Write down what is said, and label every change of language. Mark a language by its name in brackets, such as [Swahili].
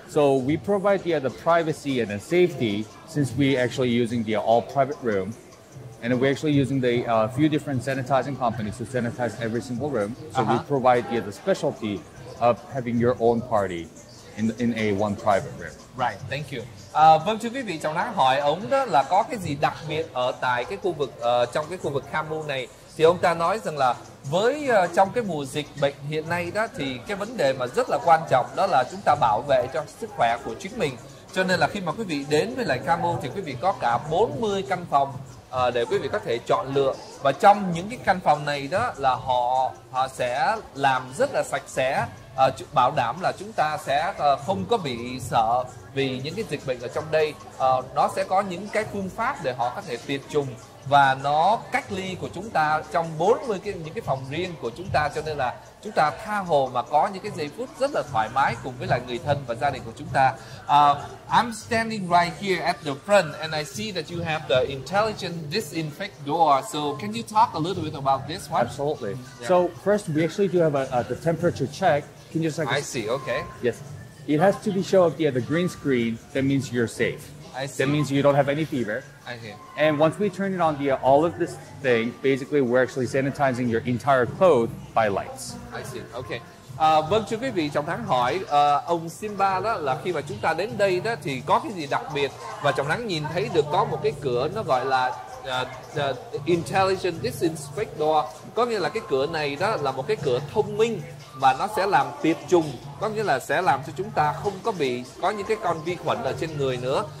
[English] So we provide the privacy and the safety since we actually using the all private room. And we're actually using the few different sanitizing companies to sanitize every single room. So we provide the specialty of having your own party in a one private room. Right, thank you. [Vietnamese] Vâng, thưa quý vị, Trọng Thắng hỏi ông đó là có cái gì đặc biệt ở tại cái khu vực trong cái khu vực Camu này. Thì ông ta nói rằng là với trong cái mùa dịch bệnh hiện nay đó, thì cái vấn đề mà rất là quan trọng đó là chúng ta bảo vệ cho sức khỏe của chính mình. Cho nên là khi mà quý vị đến với lại Camu thì quý vị có cả 40 căn phòng để quý vị có thể chọn lựa. Và trong những cái căn phòng này đó là họ sẽ làm rất là sạch sẽ, bảo đảm là chúng ta sẽ không có bị sợ vì những cái dịch bệnh ở trong đây. Nó sẽ có những cái phương pháp để họ có thể tiệt trùng và nó cách ly của chúng ta trong 40 những cái phòng riêng của chúng ta, cho nên là chúng ta tha hồ mà có những cái giây phút rất là thoải mái cùng với lại người thân và gia đình của chúng ta. [English] I'm standing right here at the front and I see that you have the intelligent disinfect door. So can you talk a little bit about this one? Absolutely. Yeah. So first we actually do have the temperature check. Can you just like I see, okay. Yes. It has to be show up the green screen. That means you're safe. I see. That means you don't have any fever. I see. And once we turn it on via all of this thing, basically we're actually sanitizing your entire clothes by lights. I see. Okay. [Vietnamese] Vâng, thưa quý vị, Trọng Thắng hỏi ông Simba đó là khi mà chúng ta đến đây đó thì có cái gì đặc biệt, và Trọng Thắng nhìn thấy được có một cái cửa nó gọi là intelligent disinfect door, có nghĩa là cái cửa này đó là một cái cửa thông minh và nó sẽ làm tiệt trùng, có nghĩa là sẽ làm cho chúng ta không có bị có những cái con vi khuẩn ở trên người nữa.